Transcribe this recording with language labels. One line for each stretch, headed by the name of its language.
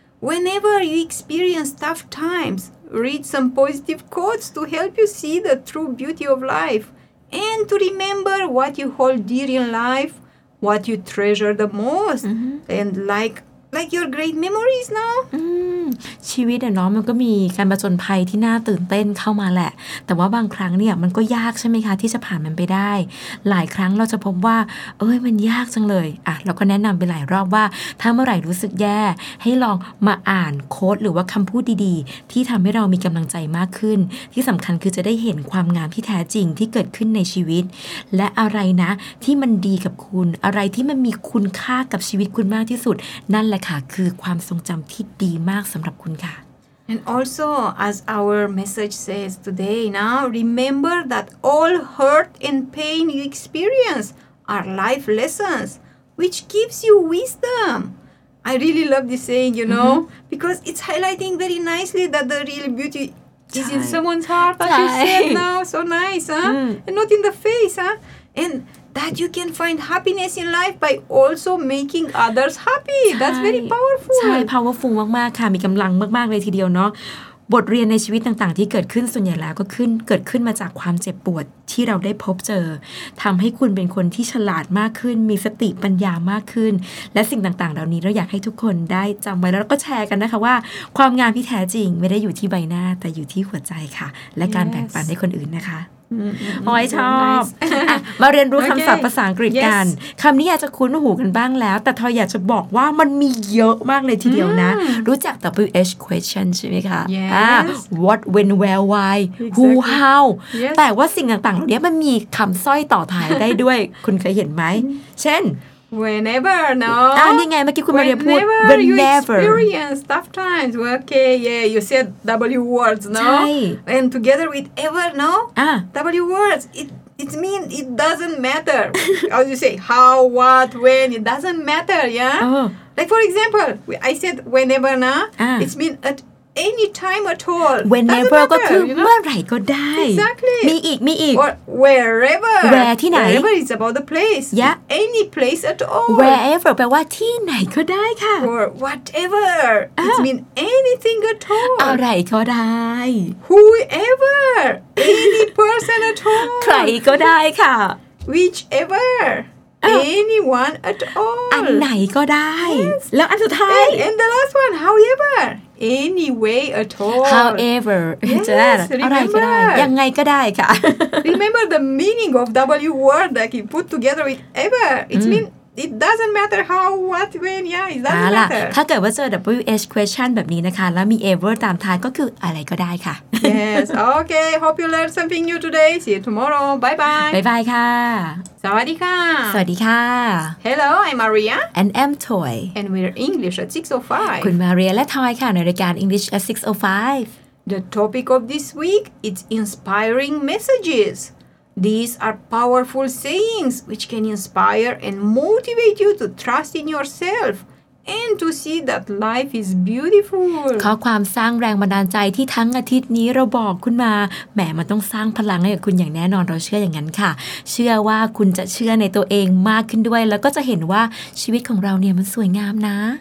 English: Whenever you experience tough times, read some positive quotes to help you see the true beauty of life. And to remember what you hold dear in life, what you treasure the most. And like Like your great memories now.
Thai: ชีวิตเนาะมันก็มีการผจญภัยที่น่าตื่นเต้นเข้ามาแหละแต่ว่าบางครั้งเนี่ยมันก็ยากใช่ไหมคะที่จะผ่านมันไปได้ หลายครั้งเราจะพบว่าเอ้ยมันยากจังเลยอ่ะเราก็แนะนำไปหลายรอบว่าถ้าเมื่อไหร่รู้สึกแย่ให้ลองมาอ่านโค้ดหรือว่าคำพูดดีๆที่ทำให้เรามีกำลังใจมากขึ้นที่สำคัญคือจะได้เห็นความงามที่แท้จริงที่เกิดขึ้นในชีวิตและอะไรนะที่มันดีกับคุณอะไรที่มันมีคุณค่ากับชีวิตคุณมากที่สุดนั่นแหละค่ะคือความทรงจำที่ดีมากสำหรับคุณค่ะ
English: And also as our message says today now remember that all hurt and pain you experience are life lessons which gives you wisdom I really love this saying you know mm-hmm. because it's highlighting very nicely that the real beauty is in someone's heart as you said now so nice huh and not in the face huh andThat you can find happiness in life by also making others happy. That's very powerful.
Thai: ใช่ powerful มากๆค่ะมีกำลังมากๆเลยทีเดียวเนาะบทเรียนในชีวิตต่างๆที่เกิดขึ้นส่วนใหญ่แล้วก็ขึ้นเกิดขึ้นมาจากความเจ็บปวดที่เราได้พบเจอทำให้คุณเป็นคนที่ฉลาดมากขึ้นมีสติปัญญามากขึ้นและสิ่งต่างๆเหล่านี้เราอยากให้ทุกคนได้จำไว้แล้วก็แชร์กันนะคะว่าความงามที่แท้จริงไม่ได้อยู่ที่ใบหน้าแต่อยู่ที่หัวใจค่ะและการแบ่งปันให้คนอื่นนะคะ โอ้ยชอบมาเรียนรู้คำศัพท์ภาษาอังกฤษกันคำนี้อาจจะคุ้นหูกันบ้างแล้วแต่ทอยอยากจะบอกว่ามันมีเยอะมากเลยทีเดียวนะรู้จัก WH question ใช่ไหมคะ
English: What when where why who how
Thai: แต่ว่าสิ่งต่างๆเหล่านี้มันมีคำสร้อยต่อท้ายได้ด้วยคุณเคยเห็นไหมเช่น
English: whenever no
Thai: นี่ไงเมื่อกี้คุณมาเรียนพูด
English: whenever you experience tough times okay yeah you said W words no and together with ever no W words it mean it doesn't matter as you say how what when it doesn't matter yeah like for example I said whenever no it mean at any time at all
Thai: whenever ก็คือเมื่อไหร่ก็ได้
English: exactly
Thai: มีอีกมีอีก
English: wherever
Thai: where ที่ไหน
English: wherever is about the place yeah any place at all
Thai: wherever แปลว่าที่ไหนก็ได้ค่ะ
English: or whatever it mean anything at all
Thai: อะไรก็ได้
English: whoever any person at all
Thai: ใครก็ได้ค่ะ
English: whichever anyone at all
Thai: อันไหนก็ได้แล้วอันสุดท้าย
English: and the last one howeverany way at all however yes, remember,
Thai: อะไรก็ได้ยังไงก็ได้ค่ะ
English: remember the meaning of w word that you put together with ever it mean it doesn't matter how what when yeah it doesn't matter
Thai: ถ้าเกิดว่าเจอ w h question แบบนี้นะคะแล้วมี ever ตามท้ายก็คืออะไรก็ได้ค่ะ
English: yes okay hope you learned something new today see you tomorrow bye bye bye bye ค่ะ
Thai: สวัสดีค่ะ สวัสดีค่ะ
English: Hello, I'm Maria and I'm Toy and we're English at 6:05
Thai: คุณ Maria และ Toy ค่ะในรายการ English at 6:05
English: The topic of this week is inspiring messages. These are powerful sayings which can inspire and motivate you to trust in yourself. And to see that life is beautiful.
Thai: ข้อความสร้างแรงบันดาลใจที่ทั้งอาทิตย์นี้เราบอกคุณมาแหมมันต้องสร้างพลังให้กับคุณอย่างแน่นอนเราเชื่ออย่างนั้นค่ะเชื่อว่าคุณจะเชื่อในตัวเองมากขึ้นด้วยแล้วก็จะเห็นว่าชีวิตของเราเนี่ยมันสวยงามนะ